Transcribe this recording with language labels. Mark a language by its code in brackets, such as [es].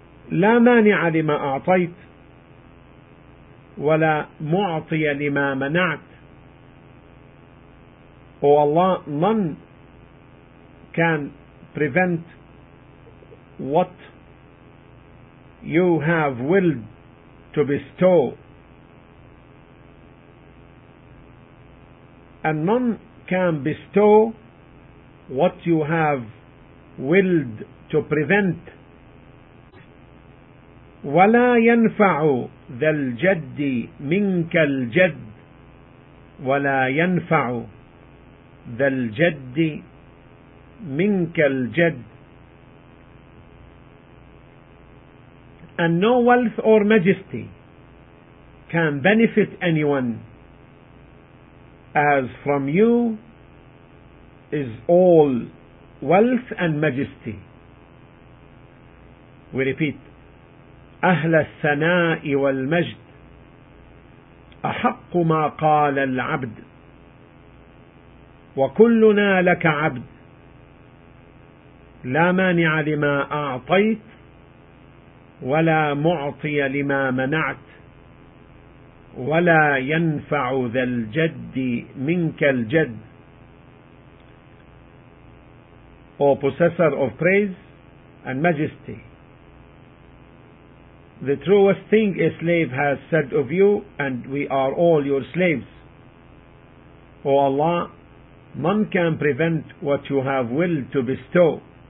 [ar] لا مانع لما أعطيت ولا معطي لما منعت. [en] O Allah, none can prevent what you have willed to bestow, and none can bestow what you have willed to prevent. [ar] ولا ينفع ذا الجد منك الجد ولا ينفع ذا الجد منك الجد. [en] And no wealth or majesty can benefit anyone, as from you is all wealth and majesty. We repeat, [ar] أهل الثناء والمجد أحق ما قال العبد وكلنا لك عبد لا مانع لما أعطيت ولا معطي لما منعت ولا ينفع ذا الجد منك الجد. [en] O possessor of praise and majesty, the truest thing a slave has said of you, and we are all your slaves. O Allah, none can prevent what you have willed to bestow,